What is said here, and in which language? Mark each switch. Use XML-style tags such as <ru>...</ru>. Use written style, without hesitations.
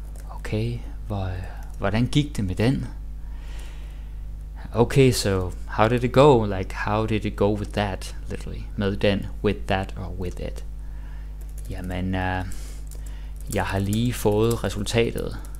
<da>Okay, hvordan gik det med den?</da> <en>Okay, so how did it go? Like, how did it go with that, literally?</en> <da>Med den,</da> <en>with that, or with it?</en> <da>Jamen, jeg har lige fået resultatet.</da>